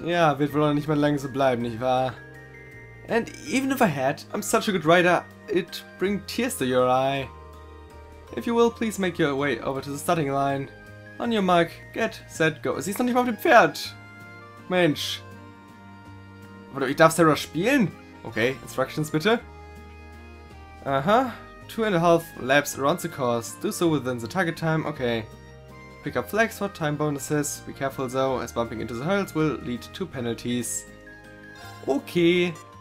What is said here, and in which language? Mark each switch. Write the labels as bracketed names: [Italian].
[German] Ja, wird wohl auch nicht mehr lange so bleiben, nicht wahr? [English] And even if I had, I'm such a good rider, it'd bring tears to your eye. If you will, please make your way over to the starting line. On your mark, get set, go. [German] Sie ist noch nicht mal auf dem Pferd. Mensch. Warte, ich darf Sarah spielen? Okay, Instructions bitte. Aha. [English] 2.5 laps around the course. Do so within the target time. Okay. Pick up flags for time bonuses. Be careful though, as bumping into the hurdles will lead to penalties. Okay.